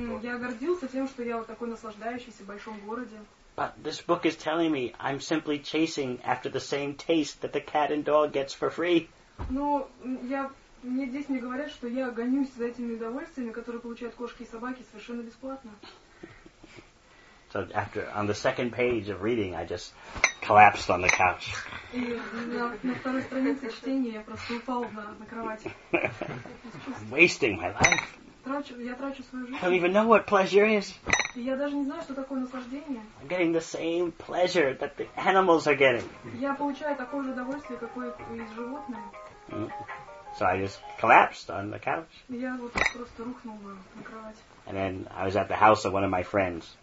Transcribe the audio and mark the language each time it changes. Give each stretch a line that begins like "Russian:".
Russian: Я гордился тем, что я вот такой наслаждающийся в большом городе.
English: But this book is telling me I'm simply chasing after the same taste that the cat and dog gets for free.
Russian: Ну, я мне здесь мне говорят, что я гонюсь за этими удовольствиями, которые получают кошки и собаки совершенно бесплатно.
English: So after on the second page of reading, I just collapsed on the couch.
Russian: И на второй странице чтения я просто упал на кровати.
English: Wasting my life.
Russian: Я трачу свою жизнь.
English: I don't even know what pleasure is.
Russian: Я даже не знаю, что такое наслаждение.
English: I'm getting the same pleasure that the animals are getting.
Russian: Я получаю такое же удовольствие, какое и животные.
English: So I just collapsed on the couch.
Russian: Я вот просто рухнул на кровать.
English: And then I was at the house of one of my friends.